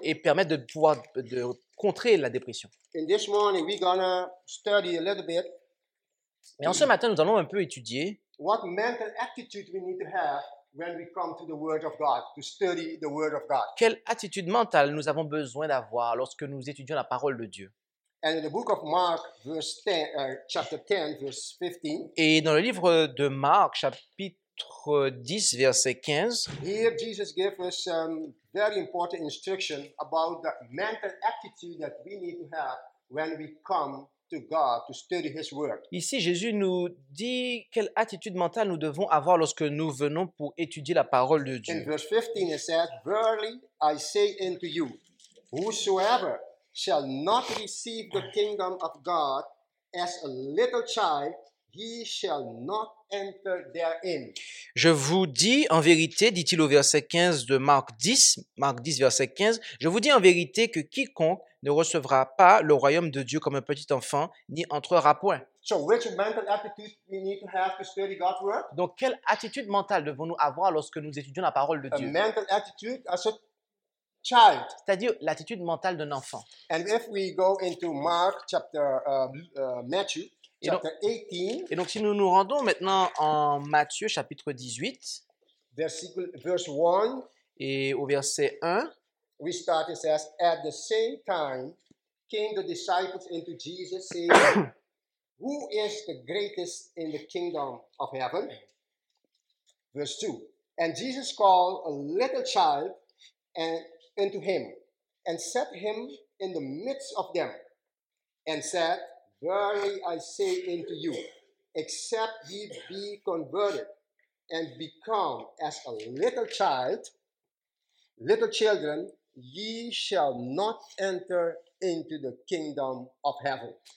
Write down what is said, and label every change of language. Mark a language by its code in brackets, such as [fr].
[fr] et permet de pouvoir de contrer la dépression. [en] In this morning, we're gonna study a little bit. [fr] Mais en ce matin, nous allons un peu étudier. [en] What mental attitude we need to have when we come to the Word of God, to study the Word of God. [fr] Quelle attitude mentale nous avons besoin d'avoir lorsque nous étudions la parole de Dieu. [en] And in the book of Mark, chapter 10, verse 15. [fr] Et dans le livre de Marc, chapitre 10, verset 15. [en] Here Jesus gave us some very important instruction about the mental attitude that we need to have when we come. To God, to study His word. [fr] Ici, Jésus nous dit quelle attitude mentale nous devons avoir lorsque nous venons pour étudier la parole de Dieu. [en] In verse 15, he says, "Verily I say unto you, whosoever shall not receive the kingdom of God as a little child, he shall not enter therein." [fr] Je vous dis en vérité, dit-il au verset 15 de Marc 10, verset 15, je vous dis en vérité que quiconque ne recevra pas le royaume de Dieu comme un petit enfant, ni entrera point. [en] So which mental attitude we need to have to study God's word? [fr] Donc, quelle attitude mentale devons-nous avoir lorsque nous étudions la parole de Dieu? [en] A mental attitude as a child. [fr] C'est-à-dire l'attitude mentale d'un enfant. [en] And if we go into Mark chapter Matthew chapter 18. [fr] Et donc, si nous nous rendons maintenant en Matthieu chapitre 18, [en] verse 1, [fr] et au verset 1. [en] We start, it says, at the same time came the disciples into Jesus, saying, who is the greatest in the kingdom of heaven? Verse 2. And Jesus called a little child unto him, and set him in the midst of them, and said, verily I say unto you, except ye be converted, and become as a little child, little children, ye shall not enter into the kingdom of heaven.